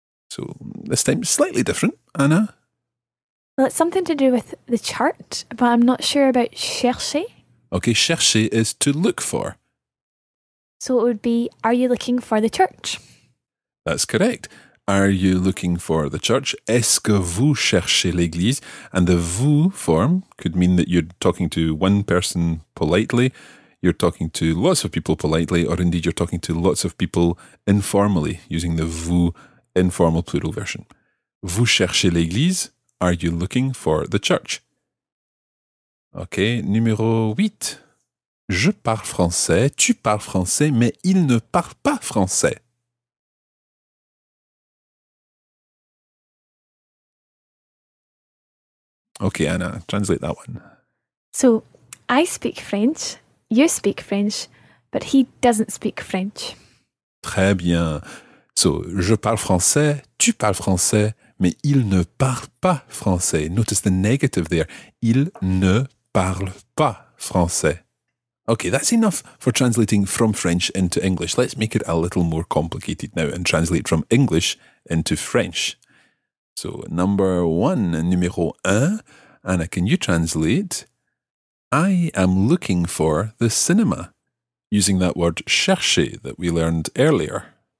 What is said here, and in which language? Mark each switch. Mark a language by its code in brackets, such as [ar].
[en] So, this time slightly different, Anna. Well, it's something to do with the chart, but I'm not sure about chercher. Okay, chercher is to look for. So it would be, are you looking for the church? That's correct. Are you looking for the church? [fr] Est-ce que vous cherchez l'église? [en] And the vous form could mean that you're talking to one person politely, you're talking to lots of people politely, or indeed you're talking to lots of people informally using the vous informal plural version. [fr] Vous cherchez l'église? [en] Are you looking for the church? Okay, [fr] numéro 8. Je parle français, tu parles français, mais il ne parle pas français. [en] Okay, Anna, translate that one. So, I speak French, you speak French, but he doesn't speak French. [fr] Très bien. [en] So, [fr] je parle français, tu parles français, mais il ne parle pas français. [en] Notice the negative there. [fr] Il ne parle pas français. [en] Okay, that's enough for translating from French into English. Let's make it a little more complicated now and translate from English into French. So, number one, [fr] numéro un, [en] Anna, can you translate? I am looking for the cinema, using that word chercher that we learned earlier.